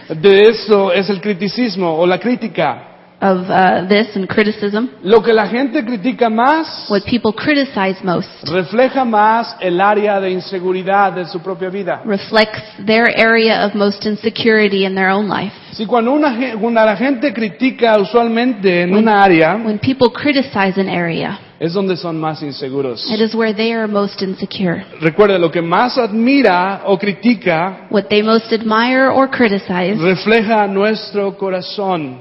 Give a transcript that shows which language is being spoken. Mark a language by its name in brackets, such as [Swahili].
[Spanish] de eso es el criticismo o la crítica. [English] Of this and criticism. [Spanish] Lo que la gente critica más, [English] what people criticize most, [Spanish] refleja más el área de inseguridad de su propia vida. [English] Reflects their area of most insecurity in their own life. [Spanish] Si cuando cuando la gente critica usualmente en una área, [English] when people criticize an area, [Spanish] es donde son más inseguros. [English] It is where they are most insecure. [Spanish] Recuerde, lo que más admira o critica, [English] what they most admire or criticize, [Spanish] refleja nuestro corazón.